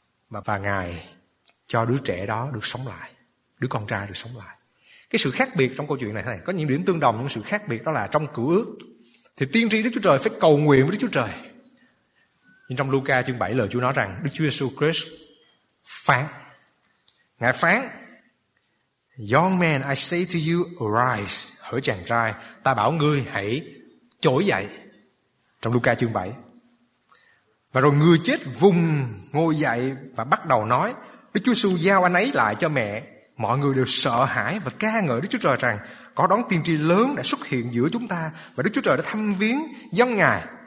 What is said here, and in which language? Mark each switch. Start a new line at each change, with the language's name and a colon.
Vietnamese: Và Ngài cho đứa trẻ đó được sống lại, đứa con trai được sống lại. Cái sự khác biệt trong câu chuyện này thế này, có những điểm tương đồng nhưng sự khác biệt đó là trong Cựu Ước thì tiên tri Đức Chúa Trời phải cầu nguyện với Đức Chúa Trời. Nhưng trong Luca chương 7 lời Chúa nói rằng Đức Chúa Jesus Christ phán. Ngài phán:
English: "Young man, I say to you, arise."
Vietnamese: Hỡi chàng trai, ta bảo ngươi hãy trỗi dậy. Trong Luca chương 7. Và rồi người chết vùng ngồi dậy và bắt đầu nói. Đức Chúa Giêsu giao anh ấy lại cho mẹ. Mọi người đều sợ hãi và ca ngợi Đức Chúa Trời rằng có đón tiên tri lớn đã xuất hiện giữa chúng ta, và Đức Chúa Trời đã thăm viếng dân Ngài.